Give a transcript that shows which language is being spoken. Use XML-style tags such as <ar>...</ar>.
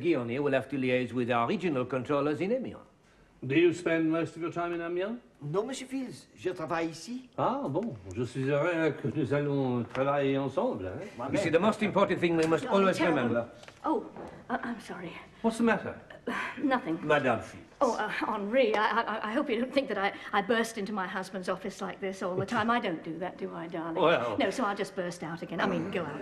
<en>Guillaume will have to liaise with our regional controllers in Amiens. Do you spend most of your time in Amiens?</en> <fr>Non, Monsieur Fils, je travaille ici. Ah, bon, je suis heureux que nous allons travailler ensemble. Hein?</fr> <en>You see, the most important thing we must always remember. Oh, I'm sorry. What's the matter? Nothing. Madame Fils. Oh, Henri, I hope you don't think that I burst into my husband's office like this all the time. I don't do that, do I, darling? Well. No, so I'll just burst out again. I mean, go out.</en>